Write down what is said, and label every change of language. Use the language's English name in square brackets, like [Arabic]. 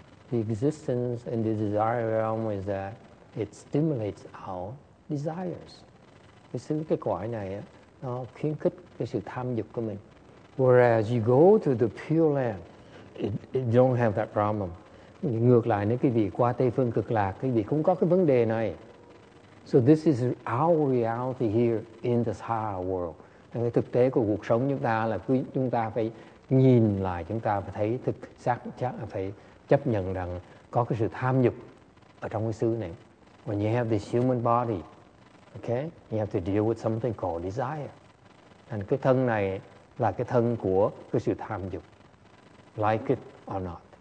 [English] The existence in the desire realm is that it stimulates our desires. [Vietnamese] Cái cõi này á, nó khuyến khích cái sự tham dục của mình. [English] Whereas you go to the pure land, it don't have that problem. [Vietnamese] Ngược lại, nếu cái vị qua Tây Phương Cực Lạc, cái vị cũng có cái vấn đề này. [English] So this is our reality here in the Sahara world. [Vietnamese] Cái thực tế của cuộc sống chúng ta là chúng ta phải nhìn lại, chúng ta phải thấy thực xác, chắc phải chấp nhận rằng có cái sự tham dục ở trong cái xứ này. [English] When you have this human body, okay, you have to deal with something called desire. [Vietnamese] And cái thân này là cái thân của cái sự tham dục, [English] like it or not.